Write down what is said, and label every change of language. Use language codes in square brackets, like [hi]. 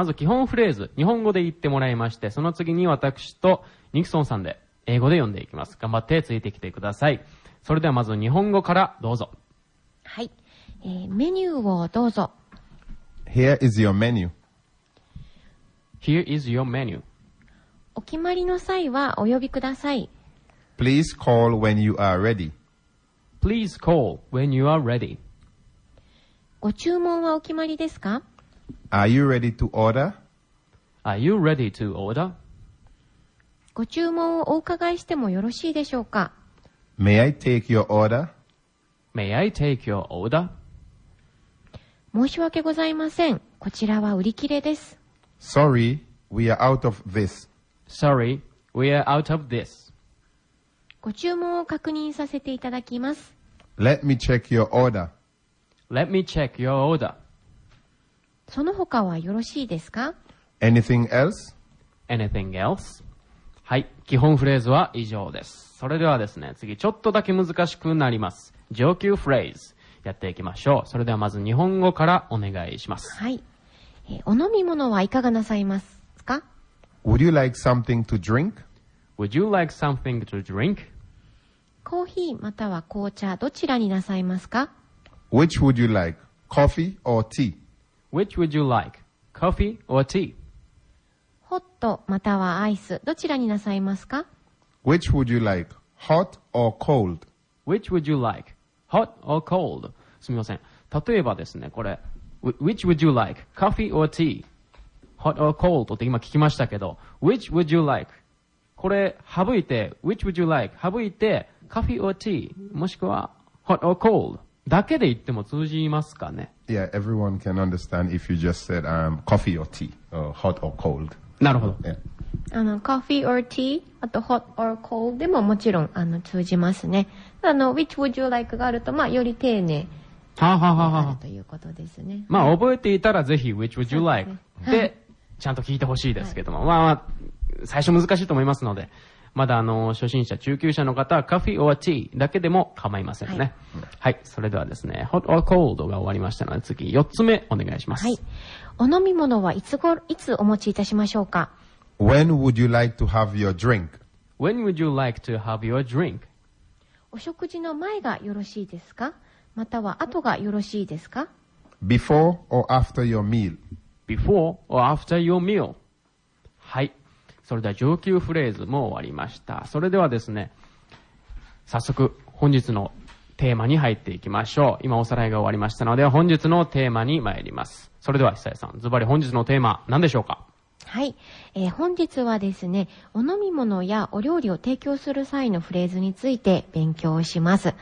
[ja] まず基本フレーズ、日本語で言ってもらいまして、その次に私とニクソンさんで英語で読んでいきます。頑張ってついてきてください。それではまず日本語からどうぞ。はい。メニューをどうぞ。 [en] Here is your menu. Here is your menu. [ja] お決まりの際はお呼びください。 [en] Please call when you are ready. Please call when you are ready. [ja] ご注文はお決まりですか? [en] Are you ready to order? Are you ready to order? [ja] ご注文をお伺いしてもよろしいでしょうか? [en] May I take your order? May I take your order? [ja] 申し訳ございません。こちらは売り切れです。 [en] Sorry, we are out of this. Sorry, we are out of this. [ja] ご注文を確認させていただきます。 [en] Let me check your order. Let me check your order. [ja] その他はよろしいですか? [en] Anything else? Anything else? [ja] はい、基本フレーズは以上です。それではですね、次ちょっとだけ難しくなります。上級フレーズやっていきましょう。それではまず日本語からお願いします。はい。お飲み物はいかがなさいますか? [en] Would you like something to drink? Would you like something to drink? [ja] コーヒーまたは紅茶どちらになさいますか? [en] Which would you like, coffee or tea? Which would you like, coffee or tea? [ja] Hot またはアイス、どちらになさいますか? [en] Which would you like, hot or cold? Which would you like, hot or cold? [ja] すみません。例えばですね、これ、 [en] Which would you like, coffee or tea? Hot or cold? [ja] って今聞きましたけど、 [en] Which would you like? [ja] これ、省いて、 [en] Which would you like? [ja] 省いて、 [en] coffee or tea? [ja] もしくは、 [en] hot or cold? [ja] だけで言っても通じますかね? [en] Yeah, everyone can understand if you just said、coffee or tea, or hot or cold. [ja] なるほど。 [en] Yeah. Coffee or tea, [ja] あと [en] hot or cold [ja] でももちろん通じますね。 [en] Which would you like [ja] があると、まあ、より丁寧になるということですね。まあ、覚えていたらぜひ [en] which would you like [ja] で、ちゃんと聞いてほしいですけども、はい、まあ、まあ、最初難しいと思いますので、まだ初心者中級者の方はカフィ [en] or tea [ja] だけでも構いませんね。はい、はい、それではですね、 [en] hot or cold [ja] が終わりましたので次4つ目お願いします。はい、お飲み物はいつお持ちいたしましょうか。 [en] When would you like to have your drink? When would you like to have your drink? [ja] お食事の前がよろしいですか、または後がよろしいですか。 [en] Before or after your meal? Before or after your meal? [ja] はい、それでは上級フレーズも終わりました。それではですね、早速本日のテーマに入っていきましょう。今おさらいが終わりましたので本日のテーマに参ります。それでは久江さん、ズバリ本日のテーマ何でしょうか。はい、本日はですね、お飲み物やお料理を提供する際のフレーズについて勉強します。